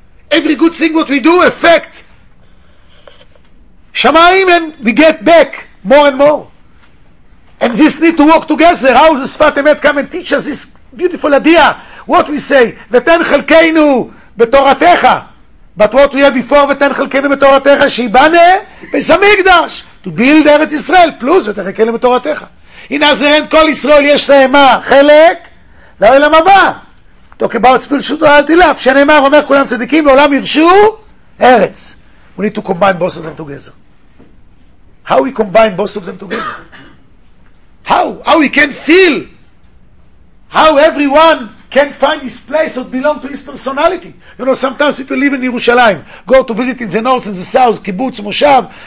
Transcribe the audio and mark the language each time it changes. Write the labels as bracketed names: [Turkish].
[English] Every good thing what we do affect Shamayim and we get back more and more. And this need to work together. How does Sfat Emet come and teach us this beautiful idea? What we say, [Hebrew] V'ten chalkeinu betoratecha. [English] But what we had before, [Hebrew] V'ten chalkeinu betoratecha, Shibane b'samigdash. [English] To build Eretz Yisrael, plus [Hebrew] V'ten chalkeinu betoratecha. [English] In other end, [Hebrew] כל ישראל יש להם מה? חלק לעולם הבא. [English] Talk about spirituality life. [Hebrew] שנאמר, אומר כולם צדיקים, לעולם ירשו ארץ. [English] We need to combine both of them together. How we combine both of them together? How? How we can feel? How everyone can't find his place that belongs to his personality. You know, sometimes people live in Yerushalayim, go to visit in the north, in the south, kibbutz, moshav.